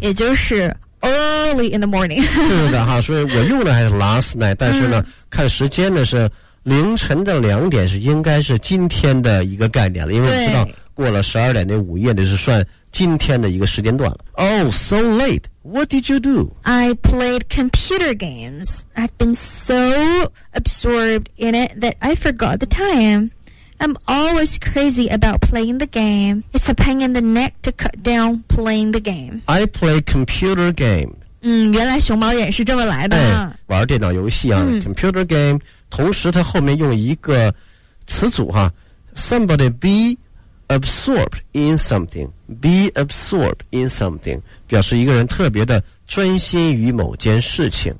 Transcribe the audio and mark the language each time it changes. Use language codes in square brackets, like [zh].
[zh] 也就是 [en] early in the morning. [zh] 是的哈，所以我用的还是 [en] last night, [zh] 但是呢，看时间呢是凌晨的两点，是应该是今天的一个概念了，因为我知道过了十二点那午夜的是算今天的一个时间段了。 [en] Oh, so late. What did you do? I played computer games. I've been so absorbed in it that I forgot the time. I'm always crazy about playing the game. It's a pain in the neck to cut down playing the game. I play computer game. [zh] 嗯，原来熊猫也是这么来的、哎、玩电脑游戏啊、嗯、 [en] computer game, [zh] 同时它后面用一个词组哈 [en] somebody beAbsorbed in something, be absorbed in something, [zh] 表示一个人特别的专心于某件事情。